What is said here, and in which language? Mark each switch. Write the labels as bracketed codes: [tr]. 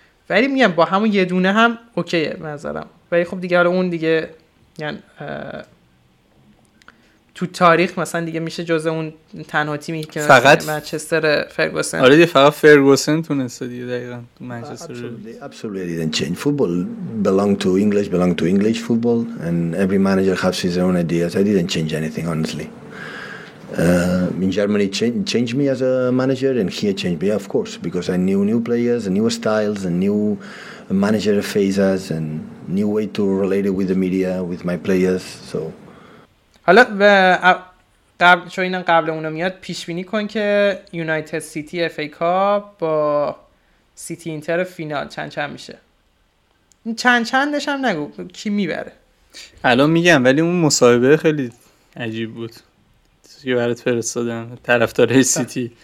[fa] ولی میگم با همون یه دونه هم اوکیه منظرم. ولی خب دیگه حالا اون دیگه یعنی تو تاریخ مثلا دیگه میشه جز اون تنها تیمی که فقط منچستر فرگوسن. آره فقط فرگوسن تونسته دیگه دقیقاً تو منچستر. [en] Absolutely didn't change football. Belong to English football and every manager has his own ideas. I didn't change anything honestly. In Germany changed me as a manager, and here changed me, of course, because I knew new players and new styles and new manager phases and new way to relate it with the media, with my players. So [fa] حالا به قبل چون اینا قبل اونو میاد پیش بینی کن که یونایتد سیتی اف ای کاپ با سیتی اینتر فینال چند میشه. چندش هم نگو کی میبره. الان میگم ولی اون مصاحبه خیلی عجیب بود که برات فرستادن طرفدار سیتی